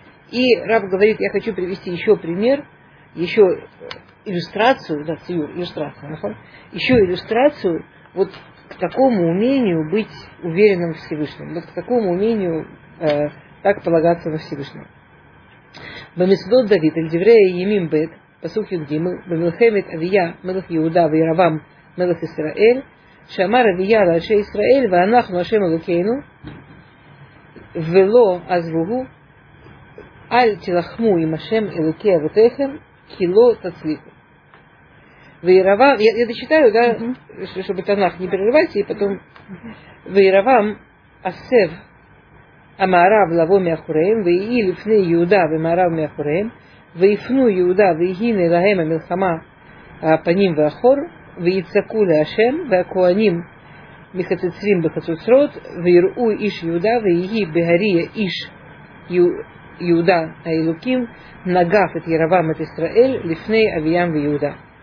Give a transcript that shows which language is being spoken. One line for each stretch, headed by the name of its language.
Russian: И раб говорит, я хочу привести еще пример, еще иллюстрацию, да, циюр, иллюстрацию, еще иллюстрацию вот к такому умению быть уверенным в Всевышнем. Вот к такому умению так полагаться на Всевышнего.
Hebrew: Бамисдот Давид, Эльдиврея Емим Бет, פסוק י"ג, במלחמת אביה, מלך יהודה וירבעם, מלך ישראל, שאמר אביה לאנשי ישראל, ואנחנו השם אלוקינו, ולא עזבוהו, אל תלחמו עם השם אלוקי אבותיכם, כי לא תצליחו.
Russian: וירבעם, я дочитаю, да, чтобы Танах не прерывать, и потом...
Hebrew: וירבעם, עשב, המערב לבוא מאחוריהם, ויהי לפני יהודה ומערב מאחוריהם, ויפנו יהודה והנה להם המלחמה הפנים ואחור, ויצעקו להשם, והכהנים מחצצרים בחצוצרות, ויראו איש יהודה, ויהי בהריע איש יהודה האלוקים, נגף את ירבעם את ישראל לפני אביהם ויהודה.